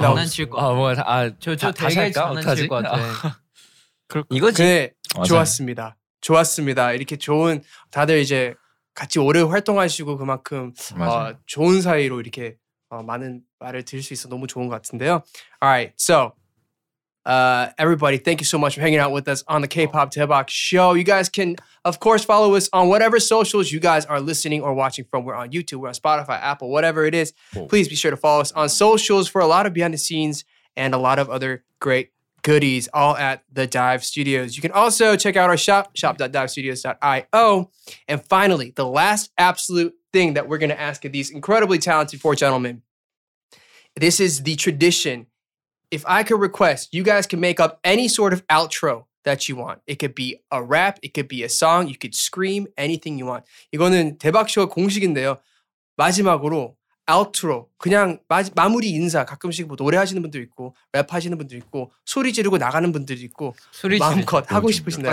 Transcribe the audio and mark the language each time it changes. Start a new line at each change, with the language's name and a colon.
Korean: 장난칠 것 같아. 아 뭐야? 아 저 되게 장난칠 것 같아. 이거지. 네, 좋았습니다. 좋았습니다. 이렇게 좋은 다들 이제 같이 오래 활동하시고 그만큼 좋은 사이로 이렇게 많은 말을 들을 수 있어 너무 좋은 것 같은데요.
English: Alright, so everybody, thank you so much for hanging out with us on the K-pop Daebak Show. You guys can, of course, follow us on whatever socials you guys are listening or watching from. We're on YouTube, we're on Spotify, Apple, whatever it is. Please be sure to follow us on socials for a lot of behind the scenes and a lot of other great goodies, all at The Dive Studios. You can also check out our shop, shop.divestudios.io. And finally, the last absolute thing that we're going to ask of these incredibly talented four gentlemen. This is the tradition. If I could request, you guys can make up any sort of outro that you want. It could be a rap, it could be a song, you could scream, anything you want.
Korean: 이거는 대박쇼 공식인데요. 마지막으로 outro, 그냥 마무리 인사. 가끔씩 뭐 노래하시는 분들 있고, 랩하시는 분들 있고, 소리 지르고 나가는 분들 있고, 소리 마음껏 하고 싶으신데요.